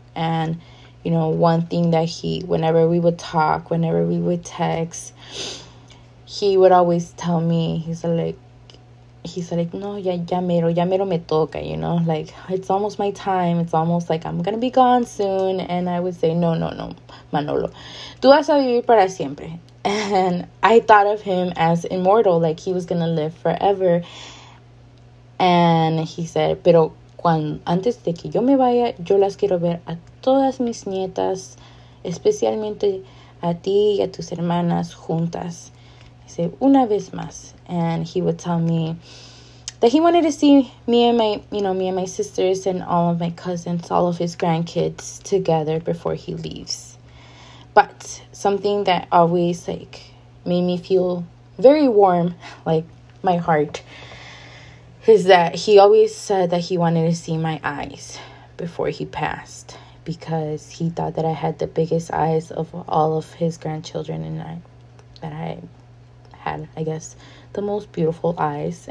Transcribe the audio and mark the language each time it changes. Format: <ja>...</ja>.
<en>And, you know, one thing that he, whenever we would talk, whenever we would text, he would always tell me, he's like, no,</en> <es>ya mero me toca,</es> <en>you know, like, it's almost my time, it's almost like I'm gonna be gone soon. And I would say,</en> <es>no, Manolo, tú vas a vivir para siempre.</es> <en>And I thought of him as immortal, like he was gonna live forever. And he said,</en> <es>pero cuando, antes de que yo me vaya, yo las quiero ver a todas mis nietas, especialmente a ti y a tus hermanas juntas.</es> <en>He said,</en> <es>una vez más.</es> <en>And he would tell me that he wanted to see me and my, you know, me and my sisters and all of my cousins, all of his grandkids together before he leaves. But something that always, like, made me feel very warm, like, my heart, is that he always said that he wanted to see my eyes before he passed, because he thought that I had the biggest eyes of all of his grandchildren, and that I had, I guess, the most beautiful eyes.</en>